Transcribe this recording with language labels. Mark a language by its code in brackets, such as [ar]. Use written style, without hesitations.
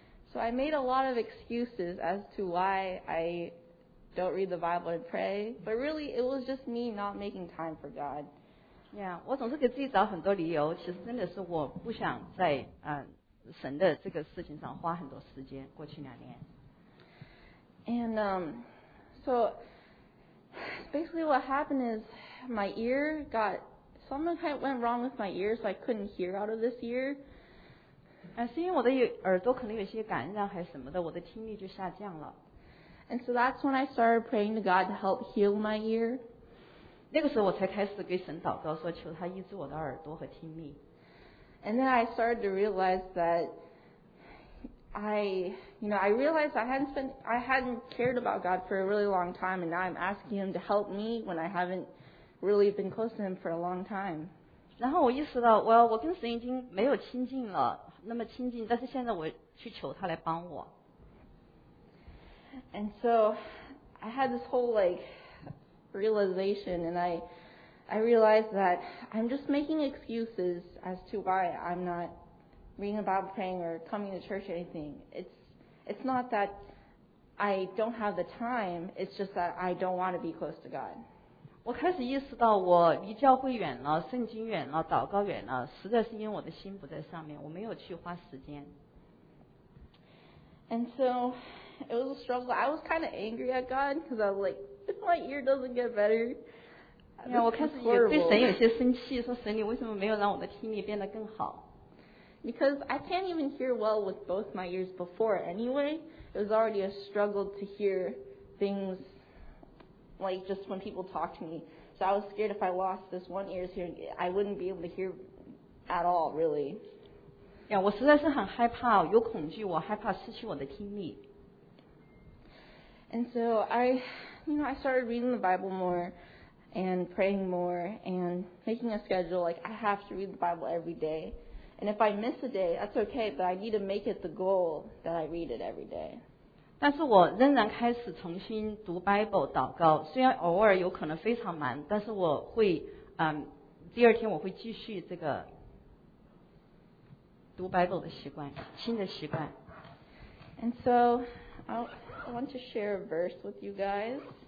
[en] So I made a lot of excuses as to why I don't read the Bible and pray, but really it was just me not making time for God. [zh] Yeah, 我总是给自己找很多理由，其实真的是我不想在神的这个事情上花很多时间，过去两年。 [en] And so basically what happened is my ear got, something kind of went wrong with my ear, so I couldn't hear out of this ear. [zh] 是因为我的耳朵可能有些感染还什么的，我的听力就下降了。 [en] And so that's when I started praying to God to help heal my ear. [zh] 那个时候我才开始给神祷告，说求他医治我的耳朵和听力。 [en] And then I started to realize that I hadn't cared about God for a really long time, and now I'm asking Him to help me when I haven't really been close to Him for a long time. [zh] 然后我意识到，我跟神已经没有亲近了，那么亲近，但是现在我去求他来帮我。 [en] And so I had this whole like. Realization, and I realized that I'm just making excuses as to why I'm not reading the Bible, praying, or coming to church or anything. It's not that I don't have the time. It's just that I don't want to be close to God. [zh] 我开始意识到我离教会远了，圣经远了，祷告远了，实在是因为我的心不在上面，我没有去花时间。 [en] And so it was a struggle. I was kind of angry at God because I was like. If my ear doesn't get better, [zh] yeah, 我开始也对神有些生气，说神，你为什么没有让我的听力变得更好？ [en] Because I can't even hear well with both my ears before anyway. It was already a struggle to hear things like just when people talk to me. So I was scared if I lost this one ear's hearing, I wouldn't be able to hear at all, really. [zh] Yeah, 我实在是很害怕，有恐惧，我害怕失去我的听力。 [en] And so I started reading the Bible more and praying more and making a schedule. Like, I have to read the Bible every day. And if I miss a day, that's okay, but I need to make it the goal that I read it every day. [zh] 但是我仍然开始重新读 Bible, 祷告。虽然偶尔有可能非常忙，但是我会，第二天我会继续这个读 Bible 的习惯，新的习惯。 [en] And so, I want to share a verse with you guys.